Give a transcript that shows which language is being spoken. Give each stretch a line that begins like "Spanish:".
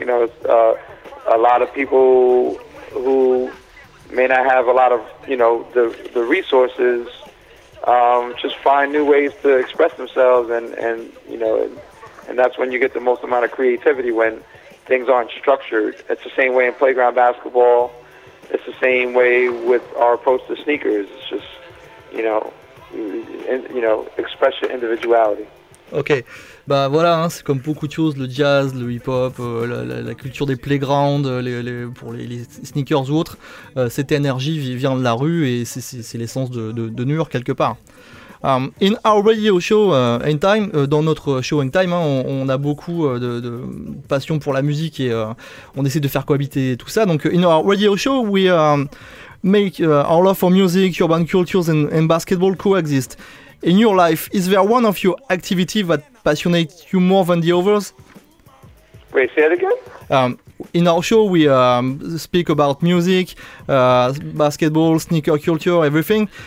English: You know, it's a lot of people who may not have a lot of, you know, the resources just find new ways to express themselves, and you know, and that's when you get the most amount of creativity, when things aren't structured. It's the same way in playground basketball. It's the same way with our approach to sneakers. It's just, you know, express your individuality. Ok.
French: Bah voilà, hein, c'est comme beaucoup de choses, le jazz, le hip-hop, la culture des playgrounds, pour les sneakers ou autres. Cette énergie vient de la rue et c'est l'essence de New York quelque part.
English: In our radio show,
French: Hangtime, dans notre show Hangtime, hein, on a beaucoup de passion pour la musique et on essaie de faire cohabiter tout ça.
English: Donc in our radio show, we make our love for music, urban cultures and basketball coexist. In your life, is there one of your activities that passionate you more than the others? Wait, say it again? In our show, we speak about music, basketball, sneaker culture, everything.